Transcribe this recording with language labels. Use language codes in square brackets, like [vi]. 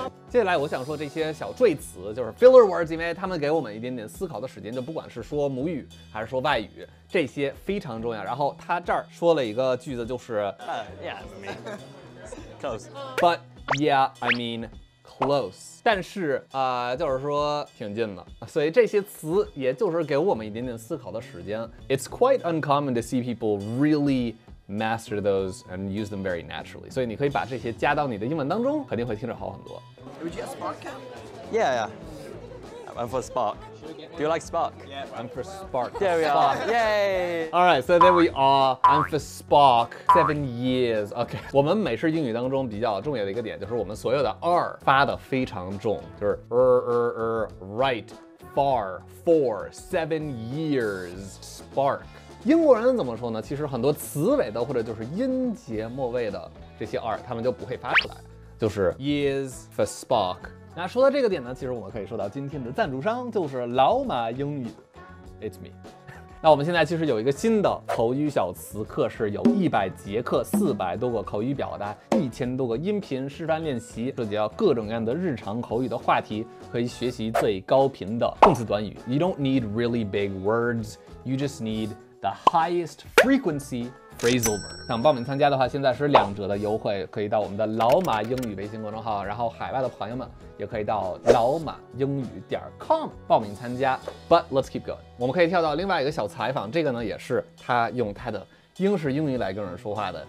[zh] 接下来我想说这些小赘词，就是 filler words， 因为他们给我们一点点思考的时间，就不管是说母语还是说外语，这些非常重要。然后他这儿说了一个句子，就是 [en] I mean. Close. But yeah, I mean, close. [zh] 但是就是说挺近的。所以这些词也就是给我们一点点思考的时间。 [en] It's quite uncommon to see people really master those and use them very naturally. [zh] 所以你可以把这些加到你的英文当中，肯定会听着好很多。 [en] Would you get Spark cam? Yeah, yeah. I'm for Spark. Do you like Spark? Yeah, I'm for Spark. There we are. Yay! All right, so there we are. I'm for Spark. 7 years. Okay. [zh] 我们美式英语当中比较重要的一个点就是我们所有的 R 发的非常重，就是right, far, for, 7 years, Spark. 英国人怎么说呢？其实很多词尾的或者就是音节末尾的这些 R， 他们就不会发出来，就是 years for Spark. 那说到这个点呢，其实我们可以说到今天的赞助商就是老马英语 ， [en] It's me。 [zh] 那我们现在其实有一个新的口语小词课，是有100节课、400多个口语表达、1000多个音频示范练习，涉及到各种各样的日常口语的话题，可以学习最高频的动词短语。 [en] You don't need really big words, you just need the highest frequency. Phrasal verb. [zh] 想报名参加的话，现在是2折的优惠，可以到我们的老马英语微信公众号，然后海外的朋友们也可以到老马英语.com报名参加。 [en] But let's keep going. [zh] 我们可以跳到另外一个小采访，这个呢也是他用他的英式英语来跟人说话的。